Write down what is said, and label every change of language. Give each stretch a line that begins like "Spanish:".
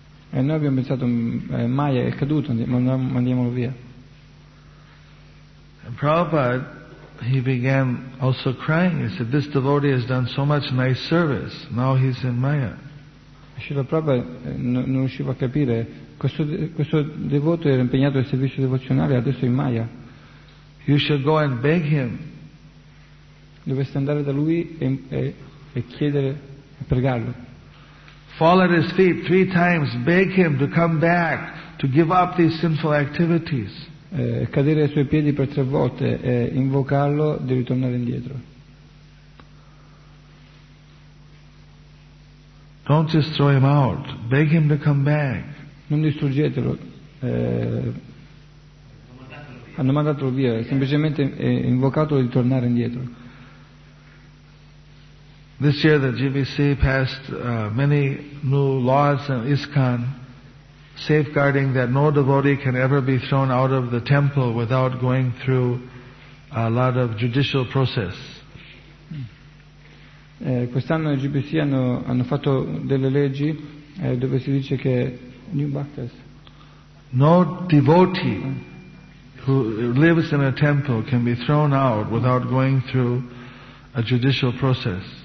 Italian: E noi abbiamo pensato Maya è caduto, mandiamolo via.
English: And Prabhupada, he began also crying. He said, "This devotee has done so much nice service. Now he's in Maya."
Italian: Srila Prabhupada non riusciva a capire. Questo devoto era impegnato nel servizio devozionale, adesso è in Maya.
English: You should go and beg him.
Italian: Dovresti andare da lui e chiedere. Pregarlo.
English: Fall at his feet three times, beg him to come back, to give up these sinful activities.
Italian: Cadere ai suoi piedi per tre volte e invocarlo di ritornare indietro.
English: Don't just throw him out, beg him to come back.
Italian: Non distruggetelo. Hanno mandatelo via, semplicemente invocatelo di tornare indietro.
English: This year the GBC passed many new laws in ISKCON safeguarding that no devotee can ever be thrown out of the temple without going through a lot of judicial process.
Italian: Quest'anno il GBC hanno fatto delle leggi dove si dice che new bhaktas
English: No devotee who lives in a temple can be thrown out without going through a judicial process.